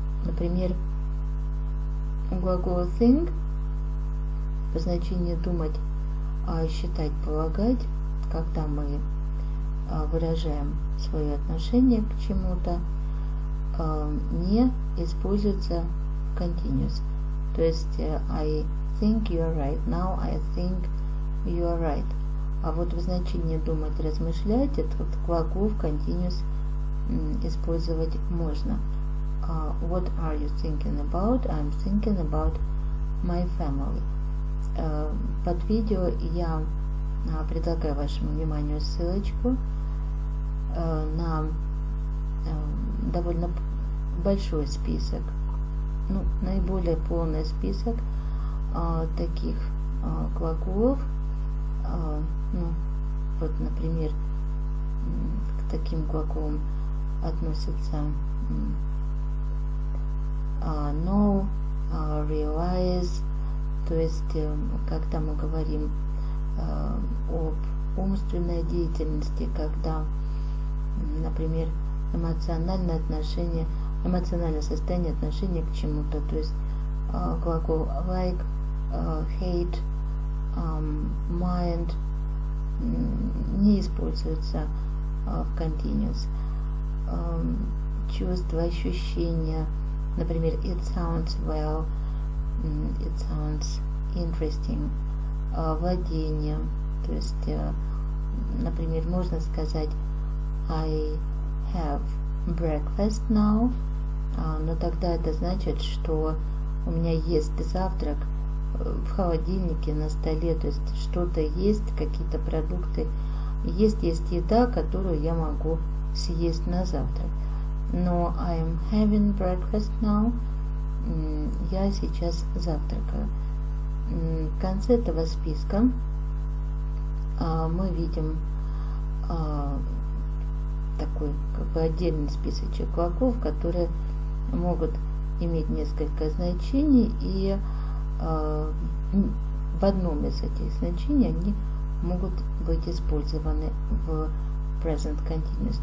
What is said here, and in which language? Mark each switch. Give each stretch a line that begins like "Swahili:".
Russian: Например, глагол think по значению думать, считать, полагать, когда мы выражаем свое отношение к чему-то, не используется continuous. То есть
English: I think you are right. Now I think you are right.
Russian: А вот в значении думать, размышлять, этот глагол в continuous использовать можно.
English: What are you thinking about? I'm thinking about my family.
Russian: Под видео я предлагаю вашему вниманию ссылочку на довольно большой список, ну, наиболее полный список таких глаголов. Ну, вот, например, к таким глаголам относится. Know, realize, то есть когда мы говорим об умственной деятельности, когда, например, эмоциональное отношение, эмоциональное состояние отношения к чему-то, то есть глагол like, hate, mind не используется в continuous. Чувства, ощущения, например,
English: it sounds well, it sounds interesting.
Russian: Владение, то есть, например, можно сказать
English: I have breakfast now,
Russian: но тогда это значит, что у меня есть завтрак в холодильнике на столе, то есть что-то есть, какие-то продукты, есть еда, которую я могу съесть на завтрак. Но
English: I am having breakfast now,
Russian: я сейчас завтракаю. В конце этого списка мы видим такой как бы отдельный списочек глаголов, которые могут иметь несколько значений, и в одном из этих значений они могут быть использованы в present continuous.